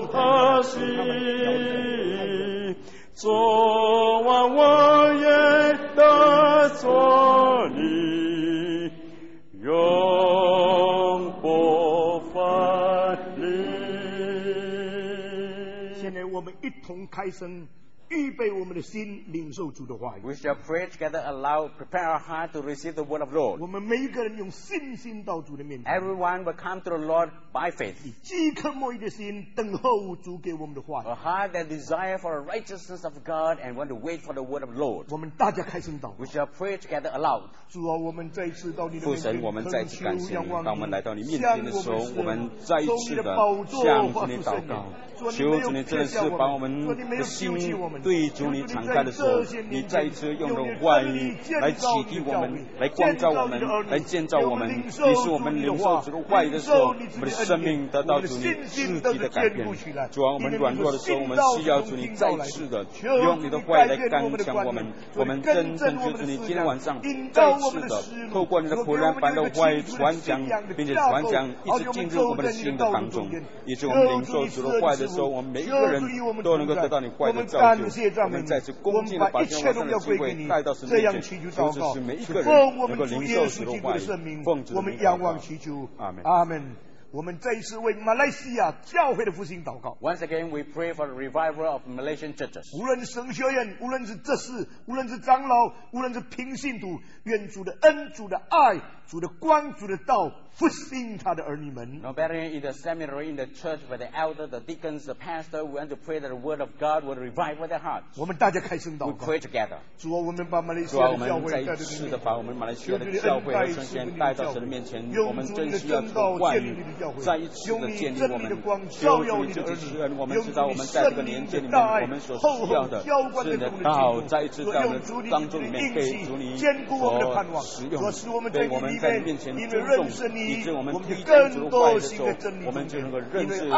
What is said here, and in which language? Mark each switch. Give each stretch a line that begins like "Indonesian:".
Chinese: 他是昨晚我也得着你永不分离。现在我们一同开声，预备我们的心，领受主的话语。
English: We shall pray together aloud, prepare our heart to receive the word of the Lord.
Chinese: 我们每一个人用信心到主的面前。
English: Everyone will come to the Lord by faith.
Chinese: 以饥渴慕义的心等候主给我们的话语。
English: A heart that desires for the righteousness of God and want to wait for the word of the Lord.
Chinese: 我们大家开心祷告。
English: We shall pray together aloud.
Chinese: 主啊，我们再一次到你的面前。父神，我们再次感谢你。当我们来到你面前的时候，我们再一次的向主你祷告。求主你真的是把我们的心对主你敞开的时候，你再一次用的话语来启迪我们，来光照我们，来建造我们，于是我们领受主的话语的时候，我们的生命得到主你自己的改变。主啊，我们软弱的时候，我们需要主你再次的用你的话语来刚强我们。我们真正就是你今天晚上再次的透过你的仆人把你的话语传讲，并且传讲一直进入我们的心的当中，以致我们领受主的话语的时候，我们每一个人都能够得到你话语的造就。我们再次恭敬地把今晚上的聚会带到神面前，求主使每一个人能够领受主的话语，奉主的名祷告。阿门。阿门。我们再一次为马来西亚教会的复兴祷告。
English: Once again, we pray for the revival of Malaysian churches.
Chinese: 无论是神学院，无论是执事，无论是长老，无论是平信徒，愿主的恩、主的爱、主的光、主的道复兴他的儿女们。
English: No matter in the seminary, in the church, with the elder, the deacons, the pastor, we want to pray that the word of God will revive their hearts.
Chinese: 我们大家开声祷告。
English: We pray together.
Chinese: 主啊，我们把马来西亚的教会，主啊，我们再一次的把我们马来西亚的教会和圣贤带到神的面前，我们真需要主的话语。再一次的建立我们，求主你自己施恩，我们知道我们在这个年纪里面，我们所需要的是你的道，再一次在我们当中里面被主你所使用，被我们在你面前尊重，以致我们遇见主话语的时候，我们就能够认识